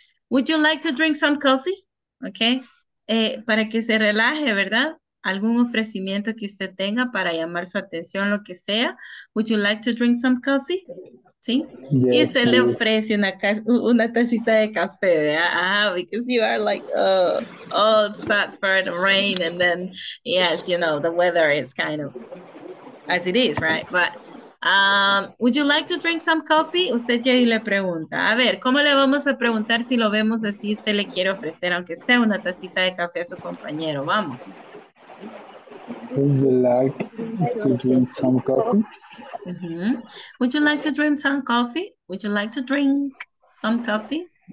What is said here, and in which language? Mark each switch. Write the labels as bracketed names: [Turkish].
[English] Would you like to drink some coffee? Okay. [Spanish] Para que se relaje, ¿verdad? Algún ofrecimiento que usted tenga para llamar su atención, lo que sea. [English] Would you like to drink some coffee? [Spanish] ¿Sí? Yes, y usted le ofrece una tacita de café, ¿verdad? [English] Ah, because you are like, oh, it's that for the rain, and then, yes, you know, the weather is kind of as it is, right? But, would you like to drink some coffee? [Spanish] Usted llega y le pregunta. A ver, ¿cómo le vamos a preguntar si lo vemos así? Usted le quiere ofrecer, aunque sea una tacita de café a su compañero. Vamos. [English] Would you like to drink some coffee? Mm-hmm. Would you like to drink some coffee? Would you like to drink some coffee?